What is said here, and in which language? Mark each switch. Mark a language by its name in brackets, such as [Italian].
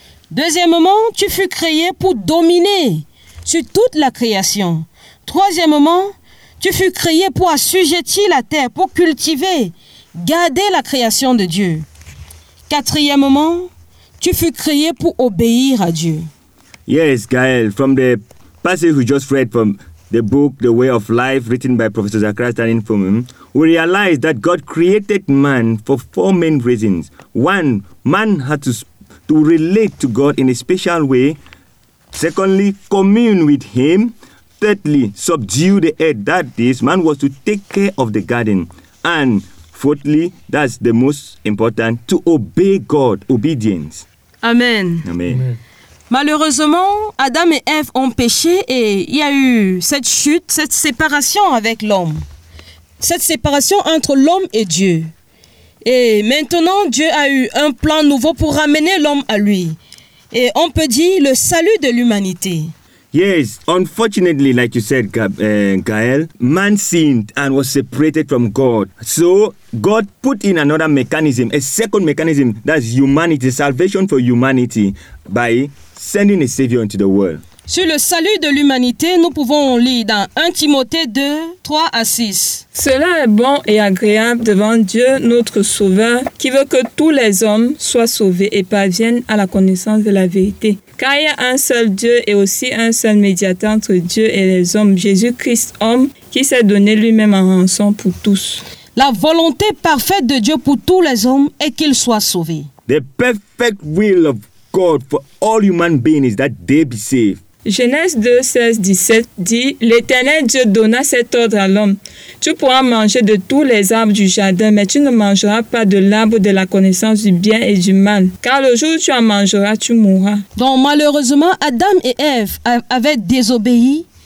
[French] Deuxièmement, tu fus créé pour dominer sur toute la création. Troisièmement, tu fus créé pour assujettir la terre, pour cultiver, garder la création de Dieu. Quatrièmement, tu fus créé pour obéir à Dieu. [English] Yes, Gael, from the passage we just read from the book The Way of Life, written by Professor Zacharias Tanin-Fumim, we realize that God created man for four main reasons. One, man had to relate to God in a special way. Secondly, commune with him. Thirdly, subdue the earth. That is, man was to take care of the garden. And fourthly, that's the most important, to obey God, obedience. Amen. Amen. Amen. [French] Malheureusement, Adam et Ève ont péché et il y a eu cette chute, cette séparation avec l'homme. Cette séparation entre l'homme et Dieu. Et maintenant, Dieu a eu un plan nouveau pour ramener l'homme à lui. Et on peut dire le salut de l'humanité. [English] Yes, unfortunately, like you said, Gael, man sinned and was separated from God. So God put in another mechanism, a second mechanism, that's humanity, salvation for humanity, by sending a savior into the world. [French] Sur le salut de l'humanité, nous pouvons lire dans 1 Timothée 2, 3 à 6. Cela est bon et agréable devant Dieu, notre Sauveur, qui veut que tous les hommes soient sauvés et parviennent à la connaissance de la vérité. Car il y a un seul Dieu et aussi un seul médiateur entre Dieu et les hommes, Jésus-Christ, homme, qui s'est donné lui-même en rançon pour tous. La volonté parfaite de Dieu pour tous les hommes est qu'ils soient sauvés. [English] The perfect will of God for all human beings is that they be saved. [French] Genèse 2, 16, 17 dit « L'Éternel Dieu donna cet ordre à l'homme. Tu pourras manger de tous les arbres du jardin, mais tu ne mangeras pas de l'arbre de la connaissance du bien et du mal. Car le jour où tu en mangeras, tu mourras. » Donc malheureusement, Adam et Ève avaient désobéi.